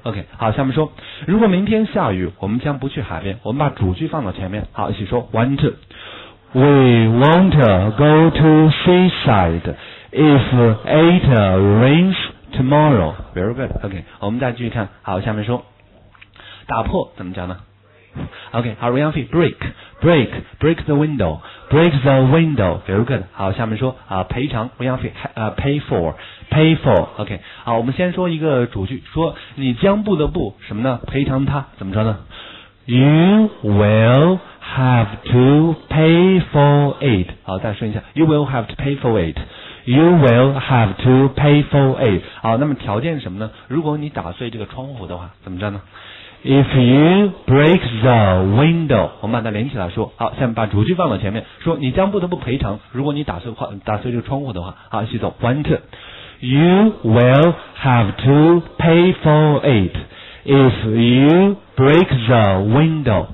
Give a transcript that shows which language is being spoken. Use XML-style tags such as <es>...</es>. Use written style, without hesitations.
<zh>OK, 好，下面说如果明天下雨我们将不去海边，我们把主句放到前面。好，一起说</zh> <en>want to, we won't go to seaside if it rainsTomorrow, very good.</en> <zh>OK, 我们再继续看。好，下面说打破怎么讲呢？</zh> <en>OK, are we on fit? Break the window. Very good.</en> <zh>好，下面说赔偿</zh> <en>are we on fit? Pay for.</en> <zh>OK, 好，我们先说一个主句，说你将不得不什么呢？赔偿他怎么说呢？</zh> <en>You will have to pay for it. 好，再说一下 You will have to pay for it. You will have to pay for it.</en> <zh>好，那么条件是什么呢？如果你打碎这个窗户的话，怎么着呢？</zh> <en>If you break the window,</en> <zh>我们把它连起来说。好，下面把主句放到前面，说你将不得不赔偿，如果你打碎这个窗户的话。好，一起走。</zh> <en>Want to. You will have to pay for it if you break the window.</en>